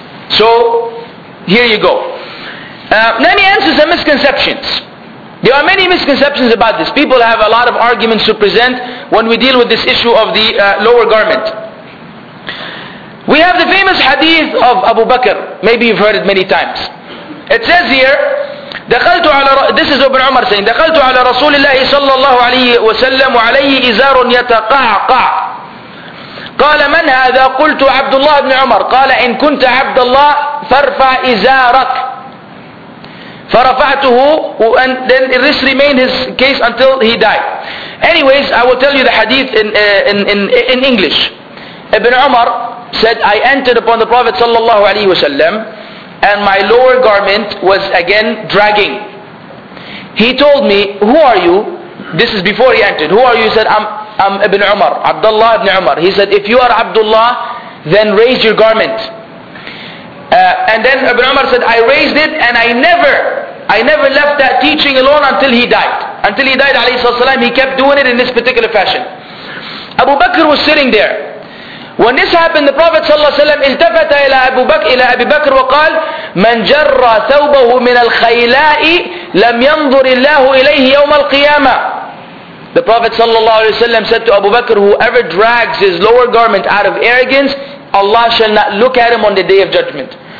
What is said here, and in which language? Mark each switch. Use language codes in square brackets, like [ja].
[en] So, here you go. Then he answers the misconceptions. There are many misconceptions about this. People have a lot of arguments to present when we deal with this issue of the lower garment. We have the famous hadith of Abu Bakr. Maybe you've heard it many times. It says here, this is Ibn Umar saying, [ar] دَخَلْتُ عَلَى رَسُولِ اللَّهِ صَلَّى اللَّهُ عَلَيْهِ وَسَلَّمُ عَلَيْهِ إِزَارٌ يَتَقَعْقَعْ قَالَ مَنْ هَذَا قُلْتُ عَبْدُ اللَّهِ بْنِ عُمَرْ قَالَ إِن كُنْتَ عَبْدَ اللَّهِ فَارْفَعْ إِزَارَكَ فَرَفَعْتُهُ. [en] And then this remained his case until he died. Anyways, I will tell you the hadith in English. Ibn Umar said, I entered upon the Prophet sallallahu alayhi wa sallam and my lower garment was again dragging. He told me, who are you? This is before he entered. Who are you? He said, I'm Ibn Umar, Abdullah ibn Umar. He said, if you are Abdullah, then raise your garment. And then Ibn Umar said, I raised it and I never left that teaching alone until he died. Until he died, alayhi salallahu alayhi wa sallam, he kept doing it in this particular fashion. Abu Bakr was sitting there. When this happened, the Prophet sallallahu alayhi wa sallam [ar] التفت إلى أبو بكر, إلى أبي بكر وقال من جر ثوبه من الخيلاء لم ينظر الله إليه يوم القيامة. [en] The Prophet sallallahu alayhi wa sallam said to Abu Bakr, whoever drags his lower garment out of arrogance, Allah shall not look at him on the Day of Judgment.